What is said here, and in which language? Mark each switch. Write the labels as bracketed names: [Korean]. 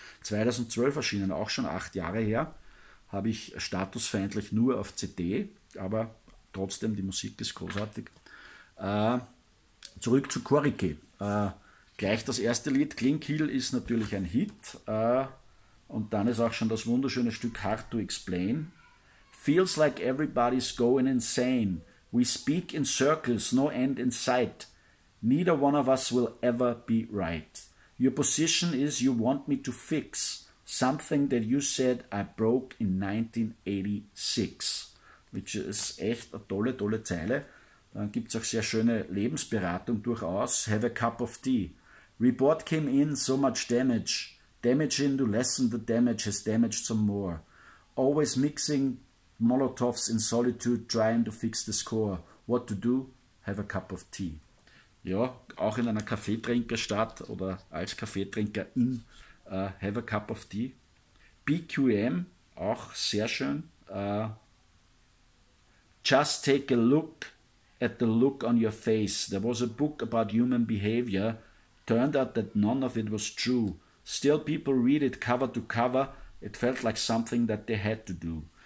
[German] 2012 erschienen, auch schon 8 Jahre her, habe ich statusfeindlich nur auf CD. Aber trotzdem, die Musik ist großartig. Zurück zu Corrigé. Gleich das erste Lied, Clean Kill, ist natürlich ein Hit. Und dann ist auch schon das wunderschöne Stück Hard to Explain. [English] Feels like everybody's going insane. We speak in circles, no end in sight. Neither one of us will ever be right. Your position is you want me to fix something that you said I broke in 1986. [German] Which ist echt eine tolle, tolle Zeile. Dann gibt es auch sehr schöne Lebensberatung durchaus. [English] Have a cup of tea. Report came in, so much damage. Damaging to lessen the damage has damaged some more. Always mixing Molotovs in solitude, trying to fix the score. What to do? Have a cup of tea. [German] Ja, auch in einer Kaffeetrinkerstadt oder als Kaffeetrinker in Have a cup of tea. BQM, auch sehr schön. [English] Just take a look at the look on your face. There was a book about human behavior. Turned out that none of it was true. Still, people read it cover to cover. It felt like something that they had to do.